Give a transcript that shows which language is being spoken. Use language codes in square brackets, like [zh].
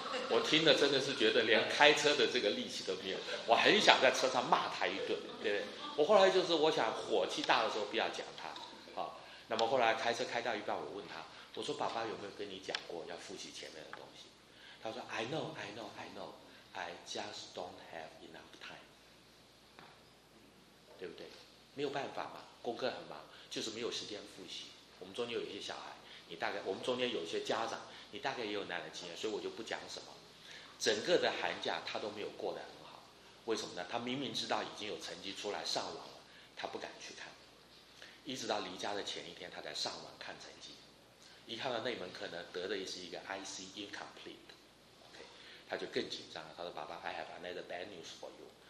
[zh] 我听了真的是觉得连开车的这个力气都没有，我很想在车上骂他一顿，对不对？我后来就是我想火气大的时候不要讲他，好。那么后来开车开到一半，我问他，我说爸爸有没有跟你讲过要复习前面的东西？他说 [en] I know I know I know I just don't have enough time， [zh] 对不对？没有办法嘛，功课很忙，就是没有时间复习。我们中间有一些小孩，你大概我们中间有一些家长，你大概也有那样的经验，所以我就不讲什么。整个的寒假他都没有过得很好，为什么呢？他明明知道已经有成绩出来上网了，他不敢去看，一直到离家的前一天他才上网看成绩，一看到那门课呢得的也是一个 IC incomplete， OK， 他就更紧张了。他说爸爸 [en] I have another bad news for you。